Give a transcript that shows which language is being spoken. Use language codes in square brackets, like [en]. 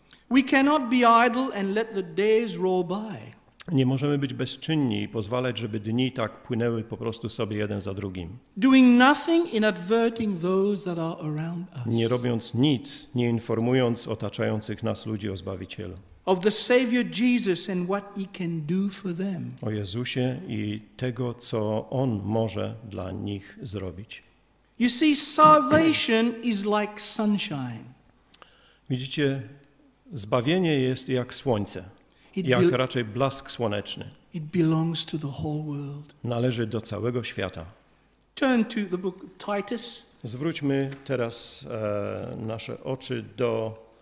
[en] We cannot be idle and let the days roll by. [pl] Nie możemy być bezczynni i pozwalać, żeby dni tak płynęły po prostu sobie jeden za drugim. [en] Doing nothing in adverting those that are around us. [pl] Nie robiąc nic, nie informując otaczających nas ludzi o Zbawicielu. [en] Of the Savior Jesus and what he can do for them. [pl] O Jezusie i tego, co On może dla nich zrobić. [en] You see, salvation is like sunshine. [pl] Widzicie, zbawienie jest jak słońce. Jak raczej blask słoneczny. [en] It belongs to the whole world. [pl] Należy do całego świata. [en] Turn to the book of Titus. [pl] Zwróćmy teraz nasze oczy do...